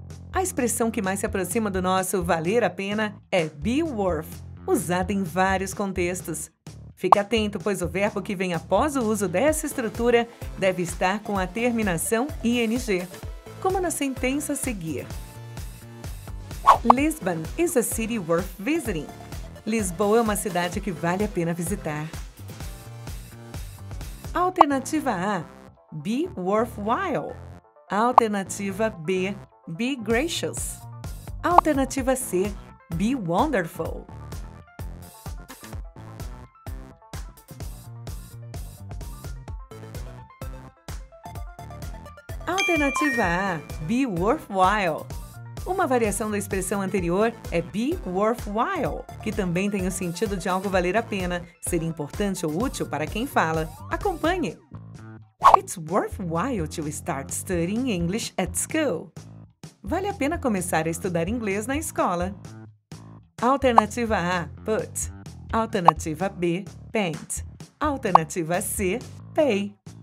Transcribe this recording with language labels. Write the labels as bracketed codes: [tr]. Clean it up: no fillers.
[pt] A expressão que mais se aproxima do nosso valer a pena é be worth, usada em vários contextos. Fique atento, pois o verbo que vem após o uso dessa estrutura deve estar com a terminação ing, como na sentença a seguir. [en] Lisbon is a city worth visiting. [pt] Lisboa é uma cidade que vale a pena visitar. Alternativa A, be worthwhile. Alternativa B, be gracious. Alternativa C, be wonderful. Alternativa A, be worthwhile. Uma variação da expressão anterior é be worthwhile, que também tem o sentido de algo valer a pena, ser importante ou útil para quem fala. Acompanhe! [en] It's worthwhile to start studying English at school. [pt] Vale a pena começar a estudar inglês na escola. Alternativa A, put. Alternativa B, paint. Alternativa C, pay.